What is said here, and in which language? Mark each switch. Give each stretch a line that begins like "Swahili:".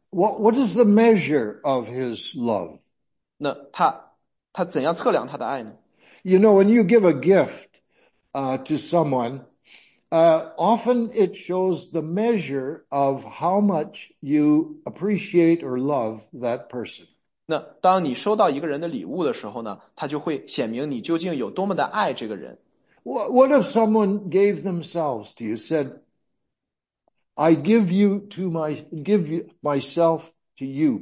English: What is the measure of his love?
Chinese: 那他怎样测量他的爱呢？
English: You know, when you give a gift to someone, often it shows the measure of how much you appreciate or love that person.
Chinese: 那当你收到一个人的礼物的时候呢，他就会显明你究竟有多么的爱这个人。
English: What if someone gave themselves to you, said, I give you to my, give you myself to you.